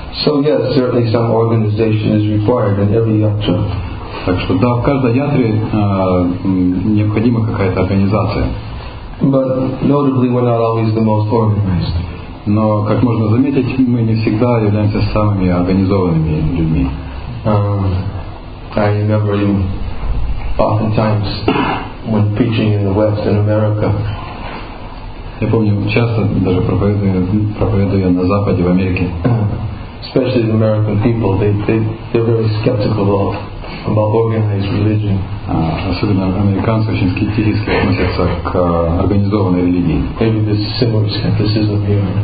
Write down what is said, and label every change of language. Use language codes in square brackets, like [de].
[en] So yes, certainly some organization is required in every yatra. [ru] Так что да, в каждой ятре необходима какая-то организация. [en] But notably, we're not always the most organized. [ru] Но, как можно заметить, мы не всегда являемся самыми организованными людьми. [en] I remember you oftentimes when preaching in the West in America. [ru] Я помню, часто даже проповедуя на Западе в Америке. [en] Especially the American people, they're very skeptical about organized religion. [ru] Особенно американцы очень скептически относятся к организованной религии. [en] Maybe this is similar skepticism here.